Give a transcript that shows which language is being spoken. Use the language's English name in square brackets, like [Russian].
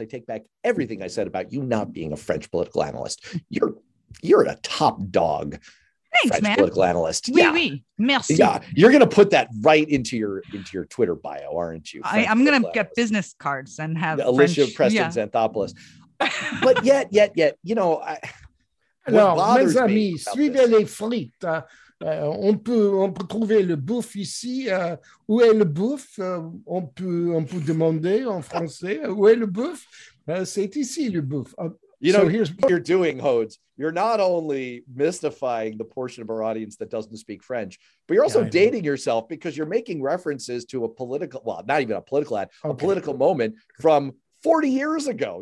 [English] I take back everything I said about you not being a French political analyst. You're a top dog. Thanks, French man. Political analyst. [French] Oui, [English] yeah. [French] Oui. Merci. [English] Yeah. You're going to put that right into your Twitter bio, aren't you? I'm going to get business cards and have Alicia French, Preston yeah. Xanthopoulos. But yet, you know, [French] mes amis, suivez les frites. On peut trouver le bouffe ici. Où est le bouffe? On peut demander en français. Où est le bouffe? C'est ici le bouffe. [English] You know, so here's what you're doing, Hodes. You're not only mystifying the portion of our audience that doesn't speak French, but you're also dating yourself, because you're making references to a political, well, not even a political ad, okay. A political moment from 40 years ago.